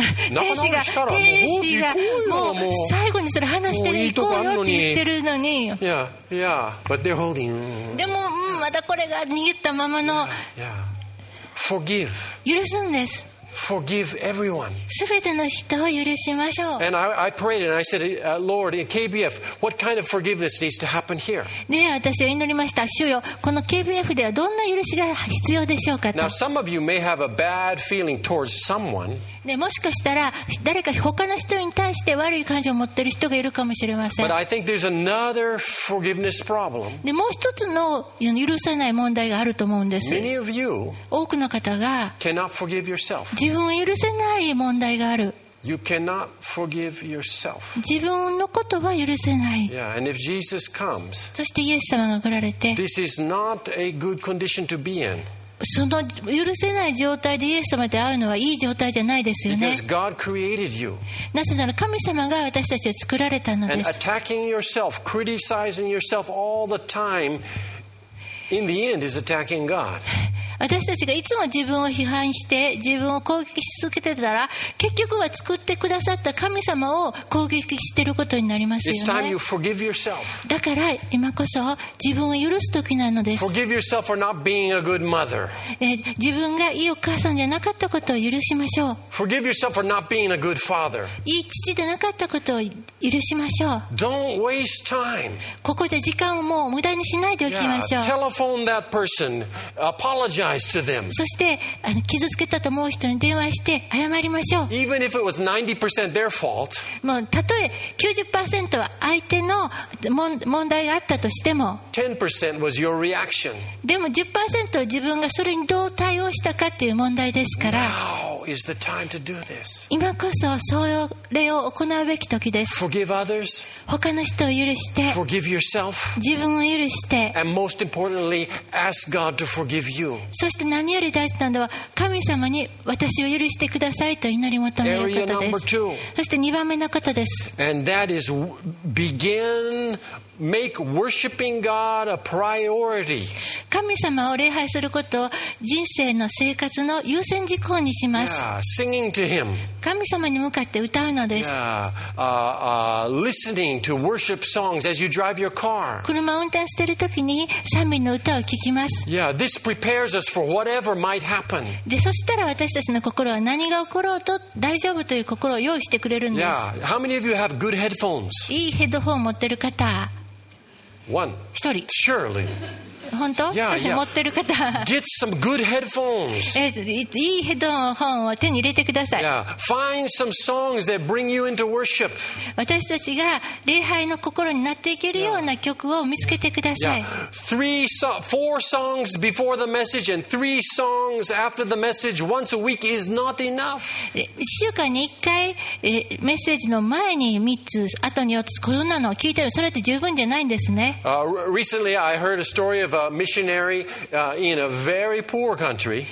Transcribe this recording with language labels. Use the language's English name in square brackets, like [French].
[Japanese] 仲直りしたら、天使がもう最後にそれ話してる、行こうよって言ってるのに。 [English] Yeah, yeah. But they're holding. [Japanese] でもまだこれが握ったままの。 [English] Forgive. [Japanese] 許すんです。 [English] Forgive everyone. [Japanese] すべての人を許しましょう。 [English] And I prayed and I said, Lord, in KBF, what kind of forgiveness needs to happen here? [Japanese] で、私は祈りました。主よ、この KBF ではどんな許しが必要でしょうかと。 [English] Now, some of you may have a bad feeling towards someone. [Japanese] で、もしかしたら誰か他の人に対して悪い感情を持っている人がいるかもしれません。 [English] But I think there's another forgiveness problem. [Japanese] で、もう一つの許せない問題があると思うんです。 [English] Many of you [Japanese] 多くの方が [English] cannot forgive yourself. [Japanese] 自分を許せない問題がある。 [English] You cannot forgive yourself. [Japanese] 自分のことは許せない。 [English] Yeah, and if Jesus comes, [Japanese] そしてイエス様が来られて、 [English] This is not a good condition to be in. [Japanese] その許せない状態でイエス様と会うのはいい状態じゃないですよね。 [English] Because God created you. [Japanese] なぜなら神様が私たちを作られたのです。 [English] And attacking yourself, criticizing yourself all the time, in the end is attacking God. [Japanese] 私たちがいつも自分を批判して自分を攻撃し続けてたら、結局は作ってくださった神様を攻撃していることになりますよね。だから今こそ自分を許す時なのです。 [English] Forgive yourself for not being a good mother. [Japanese] 自分がいいお母さんじゃなかったことを許しましょう。 [English] Forgive yourself for not being a good father. [Japanese] いい父でなかったことを許しましょう。 [English] Don't waste time. [Japanese] ここで時間をもう無駄にしないでおきましょう。 [English] Telephone that person. Apologize. [Japanese] そして傷つけたと思う人に電話して謝りましょう。 [English] Even if it was 90% their fault, [Japanese] もうたとえ 90% は相手の問題があったとしても、 [English] 10% was your reaction. [Japanese] でも 10% は自分がそれにどう対応したかという問題ですから、 [English] Now is the time to do this. [Japanese] 今こそそれを行うべき時です。 [English] Forgive others. [Japanese] 他の人を許して、 [English] Forgive yourself. [Japanese] 自分を許して、 [English] And most importantly, ask God to forgive you. [Japanese] そして何より大事なのは、神様に私を許してくださいと祈り求めることです。そして2番目のことです。 [English] And that is begin make worshiping God a priority. [Japanese] 神様を礼拝することを人生の生活の優先事項にします。 [English] Yeah, singing to him. [Japanese] 神様に向かって歌うのです。 [English] Yeah, listening to worship songs as you drive your car. [Japanese] 車を運転している時に賛美の歌を聴きます。 [English] Yeah, this prepares us for whatever might happen. [Japanese] で、そしたら私たちの心は何が起ころうと大丈夫という心を用意してくれるんです。 [English] Yeah, how many of you have good headphones? [Japanese] いいヘッドホンを持っている方。 [English] One. [Japanese] 一人。 [English] Surely. [Japanese] 本当？ [English] Yeah, yeah. [Japanese] 持ってる方。 [English] Get some good headphones. [Japanese] いいヘッドホンを手に入れてください。 [English] Yeah. Find some songs that bring you into worship. [Japanese] 私たちが礼拝の心になっていけるような曲を見つけてください。 [English] Yeah. Yeah. Four songs before the message and three songs after the message once a week is not enough. [Japanese] 1週間に1回メッセージの前に3つ、後に4つ、こんなのを聞いてる、それって十分じゃないんですね。 [English] Recently, I heard a story of a missionary in a very poor country.